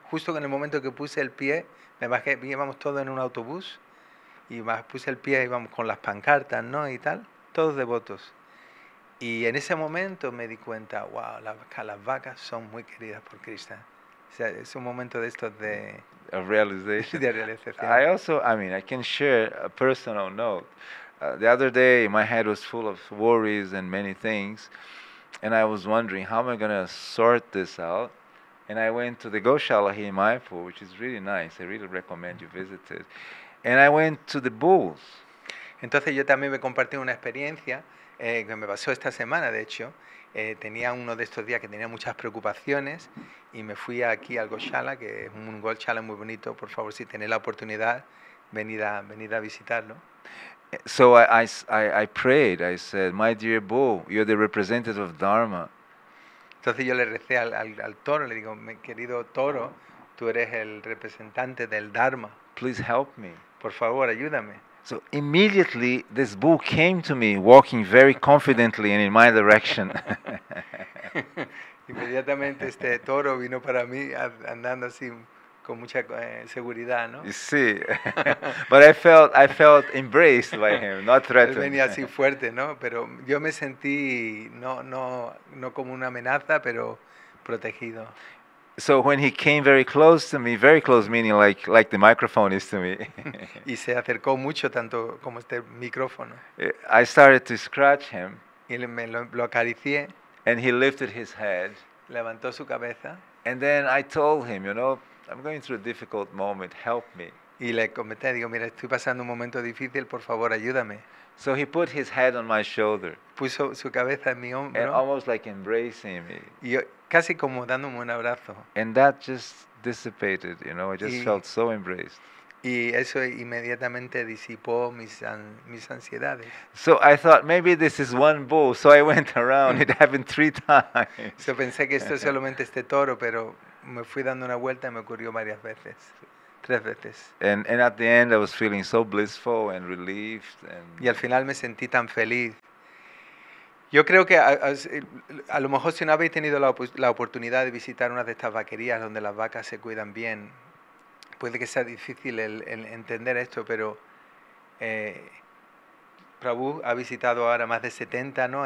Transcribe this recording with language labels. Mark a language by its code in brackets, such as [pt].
[es] Justo en el momento que puse el pie, me bajé, íbamos todos en un autobús, y puse el pie, íbamos con las pancartas, ¿no? Y tal, todos devotos. Y en ese momento me di cuenta, wow, las vacas son muy queridas por Krishna. O sea, es un momento de estos de... [en] Of realization. [es] De realización. [en] I also, I mean, I can share a personal note. The other day, my head was full of worries and many things, and I was wondering, how am I going to sort this out? And I went to the goshala here in Mayapur, which is really nice. I really recommend you visit it. And I went to the bulls. [es] Entonces, yo también me compartí una experiencia que me pasó esta semana, de hecho. Tenía uno de estos días que tenía muchas preocupaciones y me fui aquí al goshala, que es un goshala muy bonito. Por favor, si tenéis la oportunidad, venid a visitarlo. [en] So I prayed. I said, "My dear bull, you're the representative of Dharma." [es] Entonces yo le recé al toro. Le digo, "Mi querido toro, tú eres el representante del Dharma. [en] Please help me." [es] Por favor, ayúdame. [en] So immediately this bull came to me, walking very confidently and in my direction. [es] Inmediatamente este toro vino para mí andando así. Con mucha seguridad, ¿no? [en] Sí, but I felt embraced by him, not threatened. [es] Él venía así fuerte, ¿no? Pero yo me sentí no como una amenaza, pero protegido. [en] So when he came very close meaning like the microphone is to me. [es] Y se acercó mucho tanto como este micrófono. [en] I started to scratch him. [es] Y me lo acaricié. [en] And he lifted his head. [es] Levantó su cabeza. [en] And then I told him, you know, I'm going through a difficult moment. Help me. [es] Y le comenté, digo, mira, estoy pasando un momento difícil. Por favor, ayúdame. [en] So he put his head on my shoulder. [es] Puso su cabeza en mi hombro. [en] And almost like embracing me. [es] Y casi como dándome un abrazo. [en] And that just dissipated, you know. I just felt so embraced. [es] Y eso inmediatamente disipó mis ansiedades. [en] So I thought maybe this is one bull. So I went around. It happened 3 times. [es] So pensé que esto es solamente este toro, pero me fui dando una vuelta y me ocurrió varias veces, 3 veces. [en] And at the end I was feeling so blissful and relieved. And [es] y al final me sentí tan feliz. Yo creo que a lo mejor si no habéis tenido la oportunidad de visitar una de estas vaquerías donde las vacas se cuidan bien, puede que sea difícil el entender esto, pero Prabhu ha visitado ahora más de 70, ¿no?